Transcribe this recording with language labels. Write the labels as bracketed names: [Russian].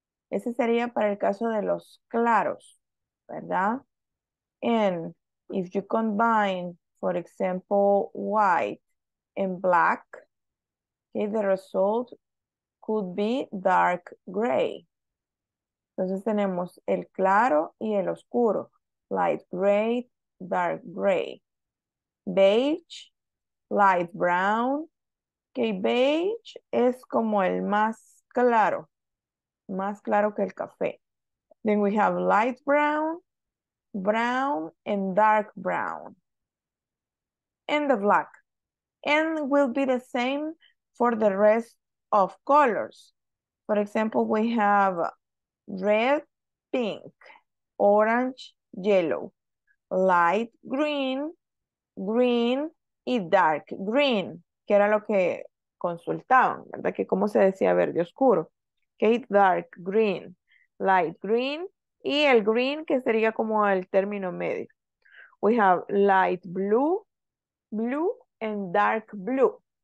[Spanish] Ese sería para el caso de los claros, ¿verdad? [English] And if you combine, for example, white and black, okay, the result could be dark gray. [Spanish] Entonces tenemos el claro y el oscuro. [English] Light gray, dark gray. Beige, light brown. [Spanish] Okay, beige es como el más claro que el café. [English] Then we have light brown, brown, and dark brown. And the black. And will be the same for the rest of colors. For example, we have red, pink, orange, yellow, light green, green, y dark green, [Spanish] que era lo que consultaban, ¿verdad? Que cómo se decía verde oscuro. Okay, [English] dark green, light green, [Spanish] y el green que sería como el término medio. [English] We have light blue, blue, and dark blue.